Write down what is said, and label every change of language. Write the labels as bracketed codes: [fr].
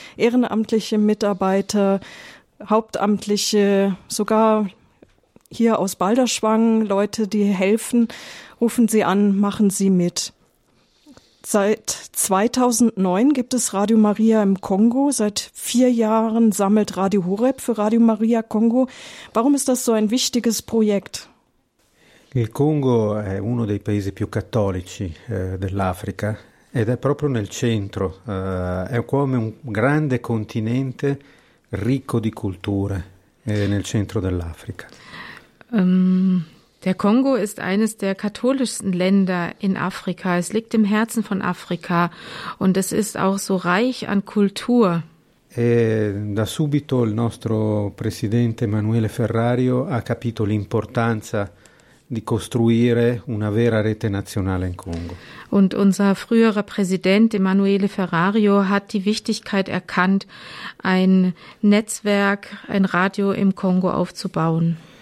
[de] Ehrenamtliche Mitarbeiter, Hauptamtliche, sogar hier aus Balderschwang, Leute, die helfen, rufen Sie an, machen Sie mit. Seit 2009 gibt es Radio Maria im Kongo. Seit 4 Jahren sammelt Radio Horeb für Radio Maria Kongo. Warum ist das so ein wichtiges Projekt? [it] Il Congo è uno dei paesi più cattolici dell'Africa ed è proprio nel centro. È come un grande continente ricco di culture nel centro dell'Africa. [de] Der Kongo ist eines der katholischsten Länder in Afrika. Es liegt im Herzen von Afrika und es ist auch so reich an Kultur. [it] E da subito il nostro presidente Emanuele Ferrario ha capito l'importanza di costruire una vera rete nazionale in Kongo. [de] Und unser früherer Präsident Emanuele Ferrario hat die Wichtigkeit erkannt, ein Netzwerk, ein Radio im Kongo aufzubauen.